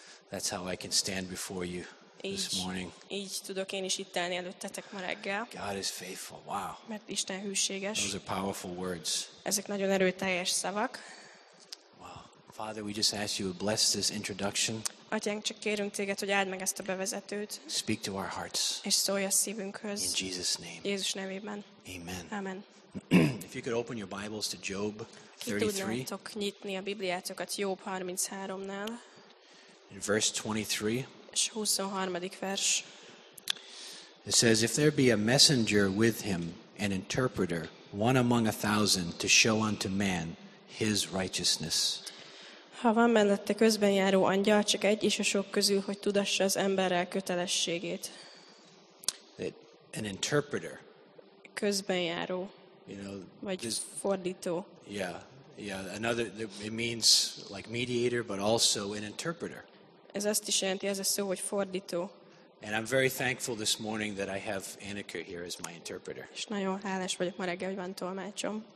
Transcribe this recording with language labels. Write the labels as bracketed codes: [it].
[en] That's how I can stand before you this morning. [hu] Így tudok én is itt állni előttetek ma reggel. [en] God is faithful. Wow. [hu] Mert Isten hűséges. [en] Those are powerful words. [hu] Ezek nagyon erőteljes szavak. [en] Wow. Father, we just ask you to bless this introduction. [hu] Atyánk, csak kérünk téged, hogy áld meg ezt a bevezetőt. [en] Speak to our hearts. [hu] És szólj a szívünkhöz. [en] In Jesus' name. [hu] Jézus nevében. [en] Amen. Amen. If you could open your Bibles to Job 33. [hu] Ki tudnátok nyitni a Bibliátokat Job 33-nál. [en] In verse 23. [hu] És 23. vers. [en] It says, if there be a messenger with him, an interpreter, one among a thousand, to show unto man his righteousness. [hu] Ha van mellette közben járó angyal, csak egy is a sok közül, hogy tudassa az emberrel kötelességét. [en] An interpreter. [hu] Közben járó. [en] You know, [hu] vagy this, fordító. [en] Yeah, yeah. Another. It means like mediator, but also an interpreter. [hu] Ez azt is jelenti, ez a szó, hogy fordító. [en] And I'm very thankful this morning that I have Annika here as my interpreter. [hu] És nagyon hálás vagyok ma reggel, hogy van tolmácsom.